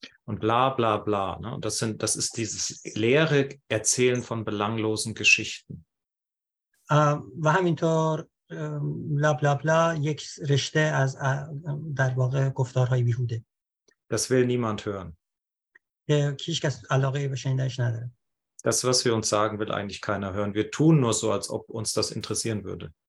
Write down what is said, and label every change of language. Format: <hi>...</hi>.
<de>und bla bla bla ne? Und das ist dieses leere erzählen von belanglosen Geschichten</de> <fa>و همینطور bla bla bla یک رشته از در واقع گفتارهای بیهوده</fa> <de>das will niemand hören</de> <fa>کیش کس علاقه به شنیدنش نداره.</fa> <de>Das, was wir uns sagen, will eigentlich keiner hören. Wir tun nur so, als ob uns das interessieren würde.</de>